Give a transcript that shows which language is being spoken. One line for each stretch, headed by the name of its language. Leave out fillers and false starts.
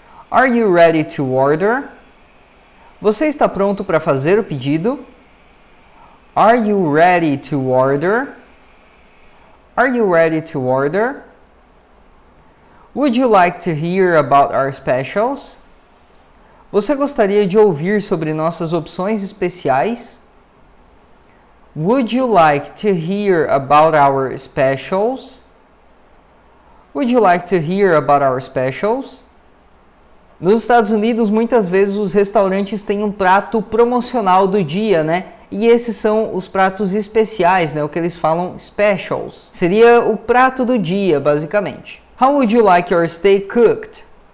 English: Are you ready to order?
Portuguese: Você está pronto para fazer o pedido?
English: Are you ready to order? Are you ready to order? Would you like to hear about our specials?
Portuguese: Você gostaria de ouvir sobre nossas opções especiais?
English: Would you like to hear about our specials? Would you like to hear about our specials?
Portuguese: Nos Estados Unidos, muitas vezes os restaurantes têm um prato promocional do dia, né? E esses são os pratos especiais, né? O que eles falam specials. Seria o prato do dia, basicamente.
English: How would you like your steak cooked?